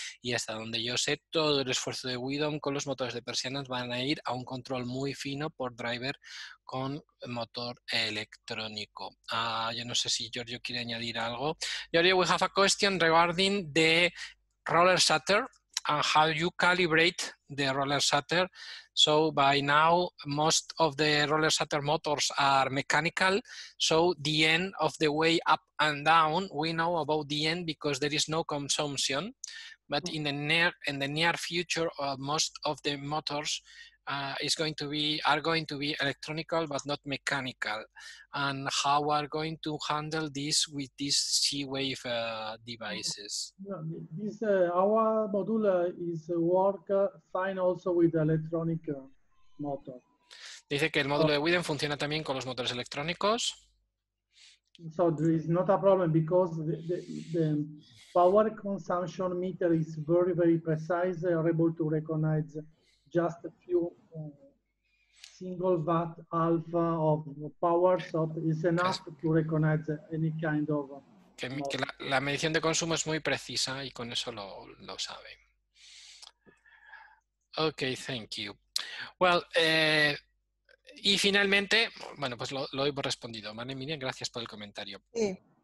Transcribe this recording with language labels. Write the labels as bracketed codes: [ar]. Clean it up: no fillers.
[es] Y hasta donde yo sé todo el esfuerzo de Widom con los motores de persianas van a ir a un control muy fino por driver con motor electrónico. Yo no sé si Giorgio quiere añadir algo. [en] Giorgio, we have a question regarding the roller shutter. And how you calibrate the roller shutter. So by now, most of the roller shutter motors are mechanical. So the end of the way up and down, we know about the end because there is no consumption. But in the near future, most of the motors are going to be electronical, but not mechanical. And how are going to handle this with these C-Wave devices? This our module is work fine also with electronic motor. [es] Dice que el módulo de Widom funciona también con los motores electrónicos. [en] So there is not a problem because the power consumption meter is very, very precise. They are able to recognize just a few single watt alpha of power, so it's enough to recognize any kind of... [es] Que la medición de consumo es muy precisa y con eso lo sabe. [en] Okay, thank you. Well, [es] y finalmente, bueno, pues lo hemos respondido. Vale, Miriam, gracias por el comentario. Sí.